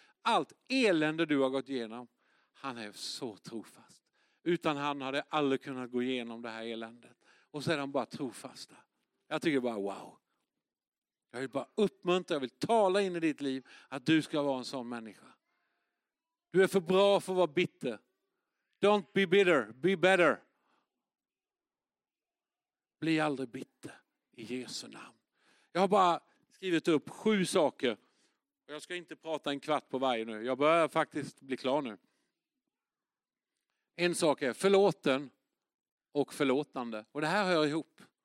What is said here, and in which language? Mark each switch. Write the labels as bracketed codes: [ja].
[sv] Allt elände du har gått igenom, han är så trofast. Utan han hade aldrig kunnat gå igenom det här eländet. Och så är de bara trofasta. Jag tycker bara wow. Jag vill bara uppmuntra, jag vill tala in i ditt liv att du ska vara en sån människa. Du är för bra för att vara bitter. [en] Don't be bitter, be better. [sv] Bli aldrig bitter i Jesu namn. Jag har bara skrivit upp 7 saker. Jag ska inte prata en kvart på varje nu. Jag börjar faktiskt bli klar nu. En sak är förlåten och förlåtande. Och det här hör ihop.